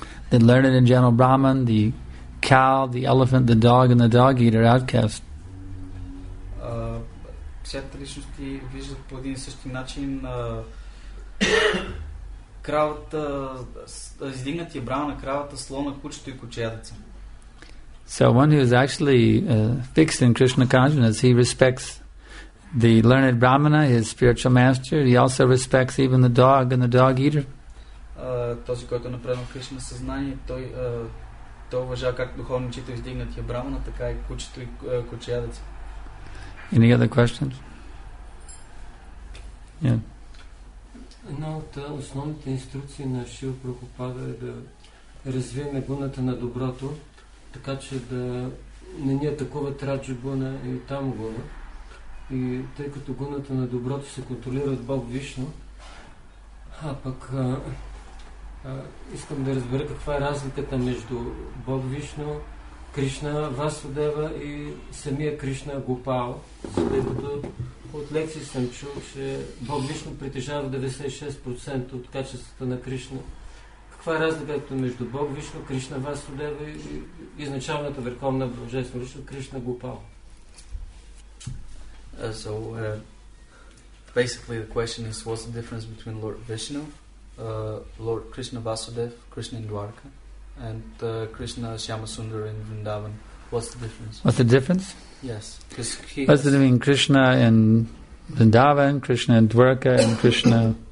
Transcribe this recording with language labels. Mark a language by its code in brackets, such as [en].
[en] The learned and gentle Brahman, the cow, the elephant, the dog, and the dog eater outcast. [bg] Всяка личност вижда по един и същи начин кравата, издигнатия Брахман, кравата, слона, кучето и кучерица. [en] So one who is actually fixed in Krishna consciousness, he respects the learned Brahmana, his spiritual master. He also respects even the dog and the dog eater. [bg] Този, който е направен в Кришна съзнание, той уважава както духовния учител, издигнатия Брахмана, така и кучето и кучеядеца. [en] Any other questions? Yeah. [bg] Една от основните инструкции на Шрила Прабхупада е да развиваме гуната на доброто, така че да не ни атакува Раджа Гуна и там Гуна. И тъй като гуната на доброто се контролира от Бог Вишно, а пък искам да разбера каква е разликата между Бог Вишно, Кришна Васудева и самия Кришна Гопал, тъй като от лекции съм чул, че Бог лично притежава 96% от качествата на Кришна. Каква е разликата между Бог Вишну, Кришна Васудева и изначалната върховна божествена личност Кришна Гопал? [en] So basically the question is, what's the difference between Lord Vishnu, Lord Krishna Vasudev, Krishna in Dwarka, and Krishna Shyamasundara in Vrindavan? What's the difference? What's the difference? Yes. What's the difference between Krishna in Vrindavan, Krishna in Dwarka, and Krishna